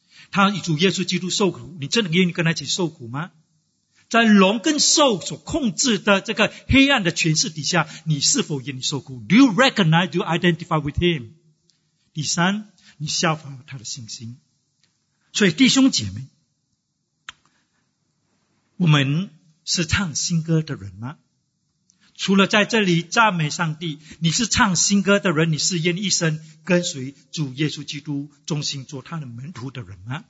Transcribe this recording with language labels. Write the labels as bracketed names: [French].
[Chinese] 他与主耶稣基督受苦，你真的愿意跟他一起受苦吗？在龙跟兽所控制的这个黑暗的权势底下，你是否愿意受苦？ [English] Do you recognize, do you identify with him? [Chinese] 第三，你效法他的信心。所以弟兄姐妹，我们是唱新歌的人吗？除了在这里赞美上帝，你是唱新歌的人，你是愿意一生跟随主耶稣基督，忠心做他的门徒的人吗？